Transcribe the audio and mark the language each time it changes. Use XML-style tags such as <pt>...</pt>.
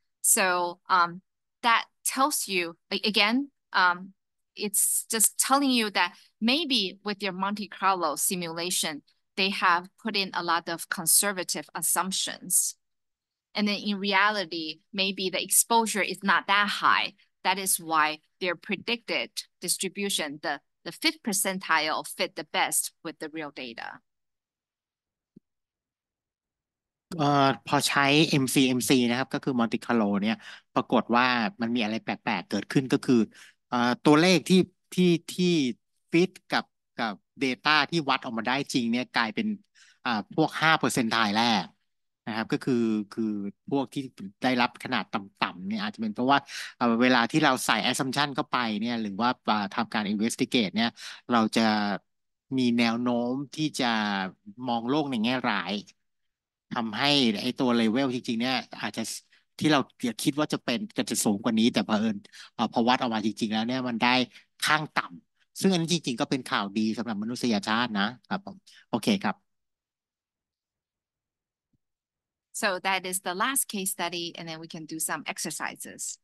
<en>So that tells you, again, it's just telling you that maybe with your Monte Carlo simulation, they have put in a lot of conservative assumptions. And then in reality, maybe the exposure is not that high. That is why their predicted distribution, the fifth percentile, fit the best with the real data.</en> <th>พอใช้ MCMC นะครับก็คือ Monte Carlo เนี่ยปรากฏว่ามันมีอะไรแปลกๆเกิดขึ้นก็คือตัวเลขที่ฟิตกับ data ที่วัดออกมาได้จริงเนี่ยกลายเป็นพวก 5% แรกนะครับก็คือพวกที่ได้รับขนาดต่ำๆเนี่ยอาจจะเป็นเพราะว่าเวลาที่เราใส่ assumption เข้าไปเนี่ยหรือว่าทำการ investigate เนี่ยเราจะมีแนวโน้มที่จะมองโลกในแง่ร้าย ทำให้ไอ้ตัวเลเวลจริงๆเนี่ยอาจจะที่เราคิดว่าจะเป็นก็จะสูงกว่านี้แต่เผอิญพอวัดออกมาจริงๆแล้วเนี่ยมันได้ข้างต่ำซึ่งอันนี้จริงๆก็เป็นข่าวดีสำหรับมนุษยชาตินะครับผมโอเคครับ</th> <en>So that is the last case study and then we can do some exercises</en>